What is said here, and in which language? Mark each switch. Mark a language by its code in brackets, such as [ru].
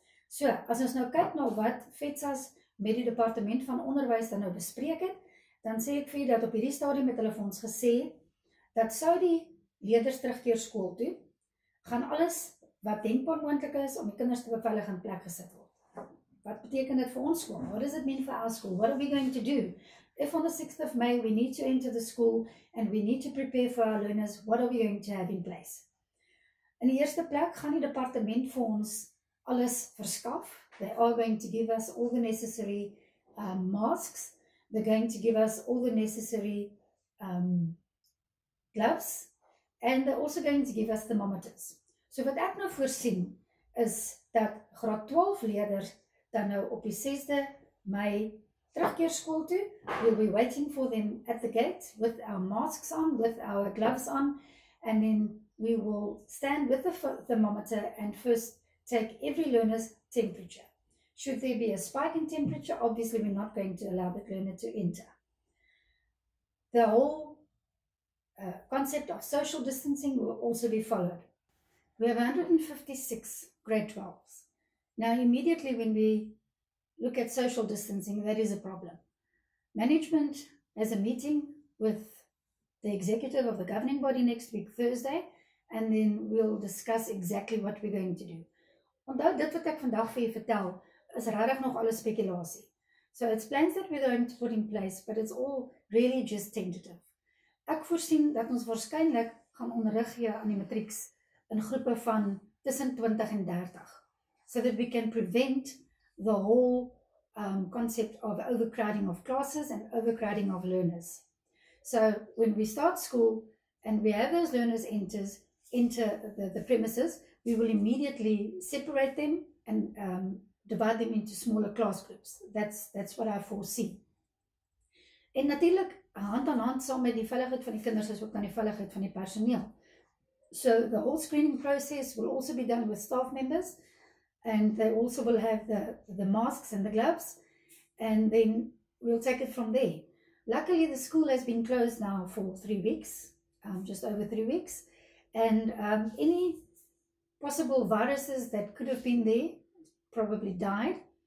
[af] So, as ons nou kyk na wat FETSAS met die departement van onderwys dan nou bespreek het, dan sê ek vir jy dat op hierdie stadium met hulle vir ons gesê, dat sou die leerders terugkeer skool toe, gaan alles wat denkbaar moontlik is om die kinders te beveilig in plek gesit word. Wat beteken dit vir ons skool? [en] What does it mean for our school? What are we going to do? If on the 6th of May we need to enter the school and we need to prepare for our learners, what are we going to have in place? [af] In die eerste plek gaan die departement vir ons alles verskaf. [en] They are going to give us all the necessary masks. They're going to give us all the necessary gloves. And they're also going to give us thermometers. [af] So wat ek nou voorsien is dat graad 12 leerders dan nou op die 6de Mei terugkeer skool toe. [en] We'll be waiting for them at the gate with our masks on, with our gloves on. And then we will stand with the thermometer and first take every learner's temperature. Should there be a spike in temperature, obviously we're not going to allow the learner to enter. The whole concept of social distancing will also be followed. We have 156 grade 12s. Now immediately when we look at social distancing, that is a problem. Management has a meeting with the executive of the governing body next week, Thursday, and then we'll discuss exactly what we're going to do. [af] Onthou, dit wat ek vandag vir jy vertel, is regtig nog alles spekulasie. [en] So it's plans that we're going to put in place, but it's all really just tentative. [af] Ek voorsien dat ons waarskynlik gaan onderrig gee aan die matrieks in groepe van tussen 20 en 30. [en] So that we can prevent the whole concept of overcrowding of classes and overcrowding of learners. So when we start school and we have those learners enter the premises, we will immediately separate them and divide them into smaller class groups. That's what I foresee. [af] En natuurlijk, hand aan hand, saam met die veiligheid van die kinders, is ook dan die veiligheid van die personeel. [en] So the whole screening process will also be done with staff members, and they also will have the masks and the gloves, and then we'll take it from there. Luckily, the school has been closed now for 3 weeks, just over 3 weeks, and any possible viruses that could have been there probably died.